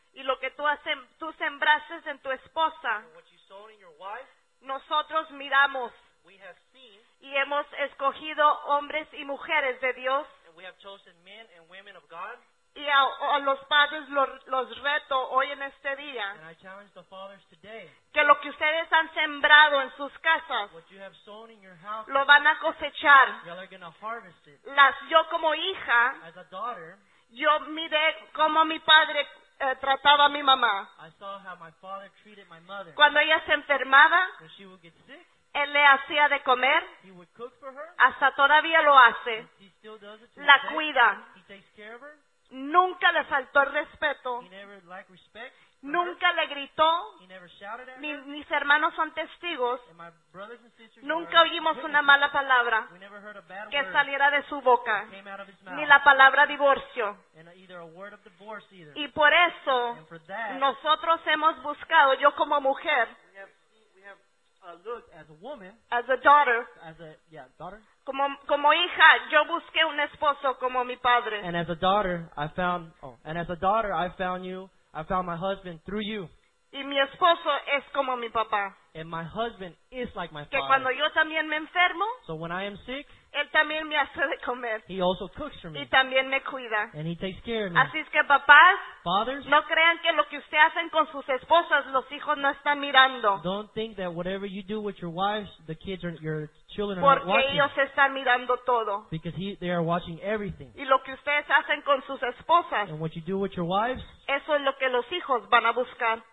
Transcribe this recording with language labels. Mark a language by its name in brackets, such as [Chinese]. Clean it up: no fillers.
[Spanish] Y lo que tú, has, tú sembraste en tu esposa, [English] and what you sown in your wife, [Spanish] nosotros miramos. [English] We have seen, [Spanish] y hemos escogido hombres y mujeres de Dios. [English] And we have chosen men and women of God. [Spanish] Y a los padres los reto hoy en este día. [English] And I challenge the fathers today, [Spanish] que lo que ustedes han sembrado en sus casas, [English] what you have sown in your house, [Spanish] lo van a cosechar. [English] Y'all are gonna harvest it. [Spanish] Las, yo como hija, [English] as a daughter, [Spanish] yo miré cómo mi padre trataba a mi mamá. [English] I saw how my father treated my mother. [Spanish] Cuando ella se enfermaba, [English] when she would get sick, [Spanish] él le hacía de comer. [English] He would cook for her. [Spanish] Hasta todavía lo hace. [English] He still does it to [Spanish] la cuida. [English] He takes care of her. [Spanish] Nunca le faltó el respeto. [English] He never lacked respect. [Spanish] Nunca le gritó. [English] He never shouted at [Spanish] ni, mis hermanos son testigos. [English] And my brothers and sisters, [Spanish] nunca oímos una mala palabra, [English] we never heard a bad [Spanish] que [English] word [Spanish] saliera de su boca. [English] Came out of his mouth. [Spanish] Ni la palabra divorcio. [English] And either a word of divorce either. [Spanish] Y por eso, [English] and for that, [Spanish] nosotros hemos buscado, yo como mujer, [English] as a woman, as a daughter, as a, yeah, daughter, [Spanish] como hija, yo busqué un esposo como mi padre. [English] And as a daughter, I found, oh, and as a daughter, I found you, I found my husband through you. [Spanish] Y mi esposo es como mi papá. [English] And my husband is like my [Spanish] que [English] father. [Spanish] Cuando yo también me enfermo, [English] so when I am sick, [Spanish] él también me hace de comer. [English] He also cooks for me. [Spanish] Y también me cuida. [English] And he takes care of me. [Spanish] Así es que papás, [English] fathers, [Spanish] no crean que lo que usted hacen con sus esposas, los hijos no están mirando. [English] Don't think that whatever you do with your wives, the kids are, your children [Spanish] porque [English] are not watching. [Spanish] Porque ellos están mirando todo. [English] Because he, they are watching everything. [Spanish] Y lo que ustedes hacen con sus esposas, [English] and what you do with your wives, [Spanish] eso es lo que los hijos van a buscar.